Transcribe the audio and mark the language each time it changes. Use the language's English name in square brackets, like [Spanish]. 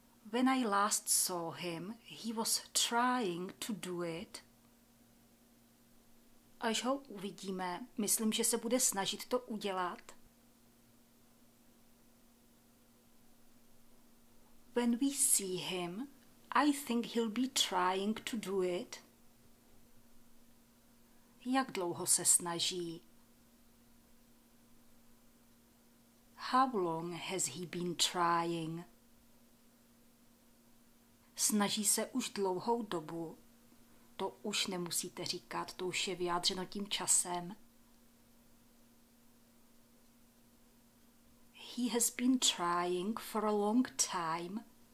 [English] When I last saw him, he was trying to do it. [Czech] Až ho uvidíme, myslím, že se bude snažit to udělat. [English] When we see him, I think he'll be trying to do it. [Czech] Jak dlouho se snaží? [English] How long has he been trying? [Czech] Snaží se už dlouhou dobu. To už nemusíte říkat, to už je vyjádřeno tím časem. [English] He has been trying for a long time.